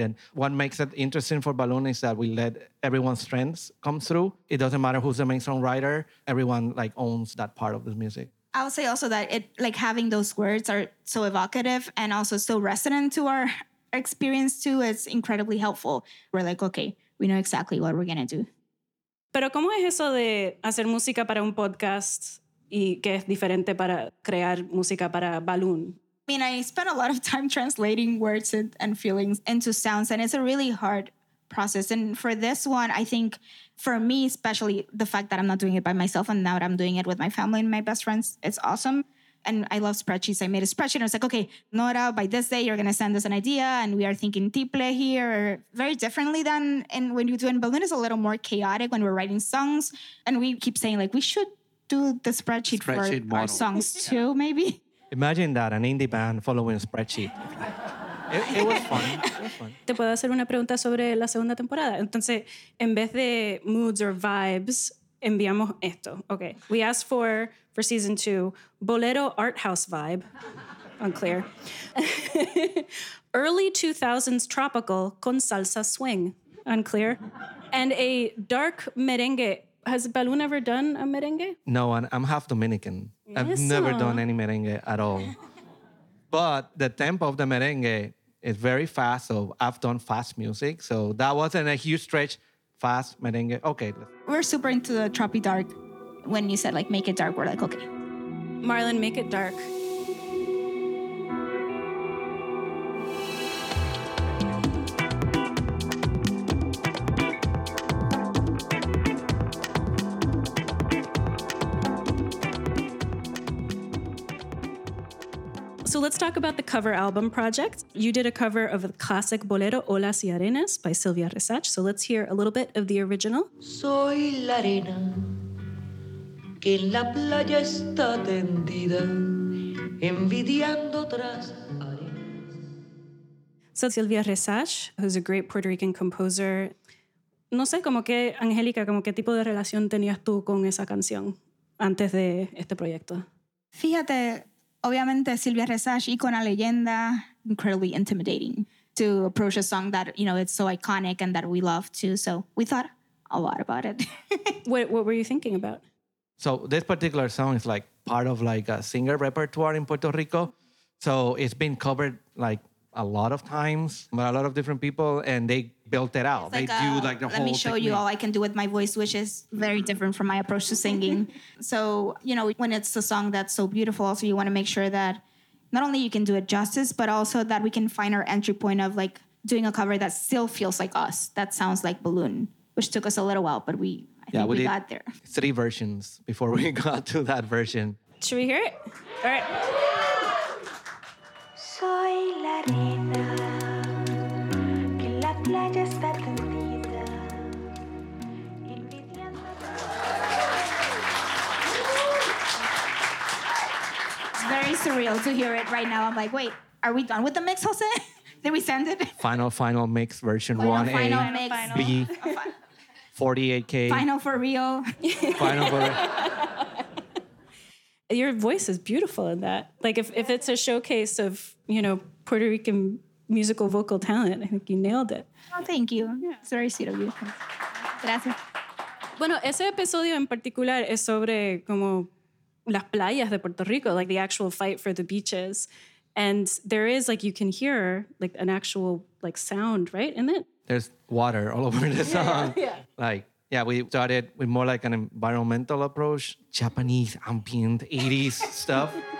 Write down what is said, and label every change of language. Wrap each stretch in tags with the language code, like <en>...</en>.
<en>And what makes it interesting for Balloon is that we let everyone's strengths come through. It doesn't matter who's the main songwriter. Everyone like owns that part of the music. I would say also that it like having those words are so evocative and also so resonant to our experience too. It's incredibly helpful. We're like, okay, we know exactly what we're going to do.</en> <es>Pero ¿cómo es eso de hacer música para un podcast y qué es diferente para crear música para Balloon?</es> <en>I mean, I spent a lot of time translating words and feelings into sounds, and it's a really hard process. And for this one, I think for me, especially the fact that I'm not doing it by myself and now that I'm doing it with my family and my best friends, it's awesome. and I love spreadsheets. I made a spreadsheet. And I was like, okay, Nora, by this day, you're going to send us an idea. And we are thinking tiple here, or very differently than and when you do in balloon. It's a little more chaotic when we're writing songs. And we keep saying, like, we should do the spreadsheet for model. Our songs yeah. too, maybe. Imagine that, an indie band following a spreadsheet. It was fun.</en> <es>¿Te puedo hacer una pregunta sobre la segunda temporada? Entonces, en vez de</es> <en>moods or vibes,</en> <es>enviamos esto. Okay.</es> <en>We asked for season two, bolero art house vibe. Unclear. Early 2000s tropical con salsa swing. Unclear. And a dark merengue. Has Balloon ever done a merengue? No, I'm half Dominican. Yes. I've never done any merengue at all. But the tempo of the merengue... it's very fast, so I've done fast music. So that wasn't a huge stretch. Fast merengue. Okay. We're super into the tropi dark. When you said, like, make it dark, we're like, okay. Marlon, make it dark. So let's talk about the cover album project. You did a cover of the classic bolero Olas y Arenas by Silvia Resach. So let's hear a little bit of the original.</en> <es>Soy la arena que en la playa está tendida envidiando otras arenas.</es> <en>So Silvia Resach, who's a great Puerto Rican composer.</en> <es>No sé, como que, Angélica, como qué tipo de relación tenías tú con esa canción antes de este proyecto? Fíjate... obviamente, Silvia Resach, icona leyenda,</es> <en>incredibly intimidating to approach a song that, you know, it's so iconic and that we love too. So we thought a lot about it. What were you thinking about? So this particular song is like part of like a singer repertoire in Puerto Rico. So it's been covered like a lot of times by a lot of different people and they built it out. Like do like the whole thing. Let me show you all I can do with my voice, which is very different from my approach to singing. So, you know, when it's a song that's so beautiful, also you want to make sure that not only you can do it justice, but also that we can find our entry point of like doing a cover that still feels like us, that sounds like Balloon, which took us a little while, but I think we got there. Three versions before we got to that version. Should we hear it? All right.</en> <es>Soy la arena que la playa está tendida envidiando.</es> <en>It's very surreal to hear it right now. I'm like, wait, are we done with the mix, Jose? Did we send it? Final mix version 1A. Final mix. B. 48K. Final for real. Final for real. Your voice is beautiful in that. Like, if it's a showcase of, you know, Puerto Rican musical vocal talent, I think you nailed it. Oh, thank you. Yeah. It's very sweet of you. Gracias.</en> <es>Bueno, ese episodio en particular es sobre como las playas de Puerto Rico,</es> <en>like the actual fight for the beaches. And there is, like, you can hear, like, an actual, like, sound, right, in it? There's water all over the song. Yeah. Like... yeah, we started with more like an environmental approach, Japanese ambient 80s stuff.</en>